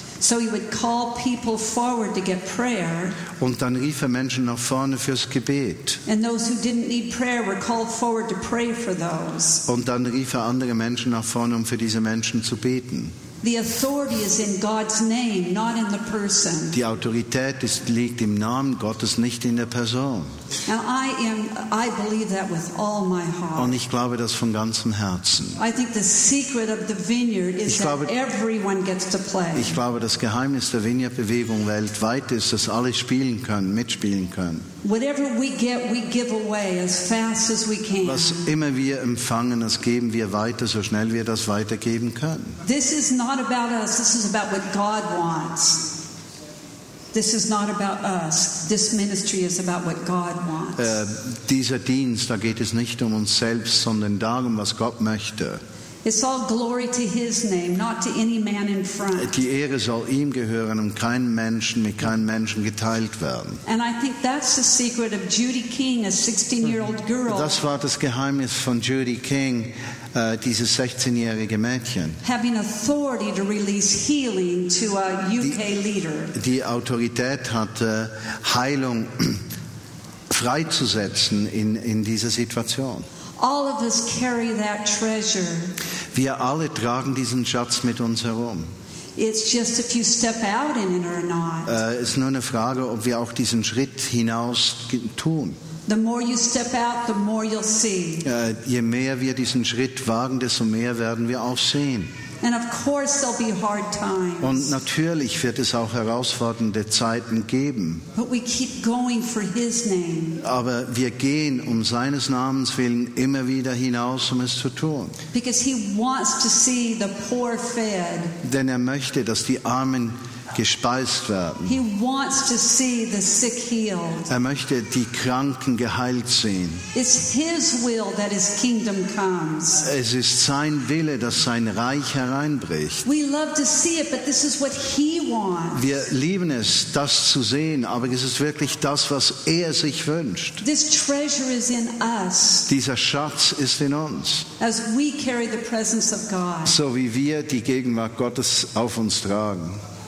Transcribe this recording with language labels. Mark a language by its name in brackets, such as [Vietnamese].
[English] So he would call people forward to get prayer. [German] Und dann rief Menschen nach vorne fürs Gebet. [English] And those who didn't need prayer were called forward to pray for those. [German] Und dann rief andere Menschen nach vorne, für diese Menschen zu beten. [English] The authority is in God's name, not in the person. [German] Die Autorität liegt im Namen Gottes, nicht in der Person. [English] Now I believe that with all my heart. [German] Und ich glaube das von ganzem Herzen. [English] I think the secret of the vineyard is that everyone gets to play. [German] Ich glaube, das Geheimnis der Vineyard-Bewegung weltweit ist, dass alle spielen können, mitspielen können. [English] Whatever we get, we give away as fast as we can. [German] Was immer wir empfangen, das geben wir weiter, so schnell wir das weitergeben können. [English] This is not about us. This is about what God wants. This is not about us. This ministry is about what God wants. [German] Dieser Dienst, da geht es nicht um uns selbst, sondern darum, was Gott möchte. [English] It's all glory to His name, not to any man in front. [German] Die Ehre soll ihm gehören und keinem Menschen, mit keinem Menschen geteilt werden. [English] And I think that's the secret of Judy King, a 16-year-old girl. [German] Das war das Geheimnis von Judy King, dieses 16-jährige Mädchen. [English] Having authority to release healing to a UK leader. [German] Die Autorität hatte, Heilung freizusetzen in dieser Situation. [English] All of us carry that treasure. [German] Wir alle tragen diesen Schatz mit uns herum. [English] It's just if you step out in it or not. [German] Ist nur eine Frage, ob wir auch diesen Schritt hinaus tun. [English] The more you step out, the more you'll see. [German] Je mehr wir diesen Schritt wagen, desto mehr werden wir auch sehen. [English] And of course there'll be hard times. [German] Und natürlich wird es auch herausfordernde Zeiten geben. [English] But we keep going for His name. [German] Aber wir gehen um seines Namens willen immer wieder hinaus, um es zu tun. [English] Because He wants to see the poor fed. [German] Denn er möchte, dass die Armen gespeist werden. [English] He wants to see the sick healed. [German] Er möchte die Kranken geheilt sehen. [English] It's His will that His kingdom comes. [German] Es ist sein Wille, dass sein Reich hereinbricht. [English] We love to see it, but this is what He wants. [German] Wir lieben es, das zu sehen, aber es ist wirklich das, was er sich wünscht. [English] This treasure is in us. [German] Dieser Schatz ist in uns. [English] As we carry the presence of God. [German] So wie wir die Gegenwart Gottes auf uns tragen.